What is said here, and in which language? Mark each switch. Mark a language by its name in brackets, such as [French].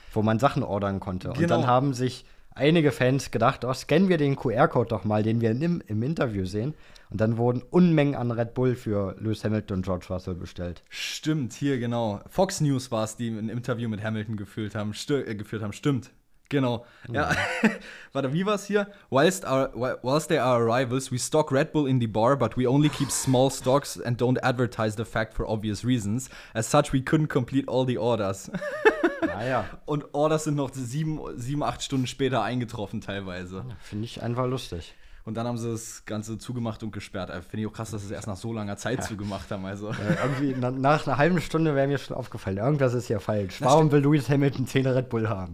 [German] Wo man Sachen ordern konnte. Genau. Und dann haben sich einige Fans gedacht, scannen wir den QR-Code doch mal, den wir im Interview sehen. Und dann wurden Unmengen an Red Bull für Lewis Hamilton und George Russell bestellt. Stimmt, hier genau. Fox News war es, die ein Interview mit Hamilton geführt haben. Stimmt. Genau. Ja. Warte, wie war's hier? [English] Whilst there are rivals, we stock Red Bull in the bar, but we only keep small stocks and don't advertise the fact for obvious reasons. As such, we couldn't complete all the orders. [German] Naja. Und Orders sind noch sieben, acht Stunden später eingetroffen teilweise. Finde ich einfach lustig. Und dann haben sie das Ganze zugemacht und gesperrt. Finde ich auch krass, dass sie es erst nach so langer Zeit zugemacht haben. Also. Irgendwie nach einer halben Stunde wäre mir schon aufgefallen, irgendwas ist hier falsch. Warum will Lewis Hamilton 10 Red Bull haben?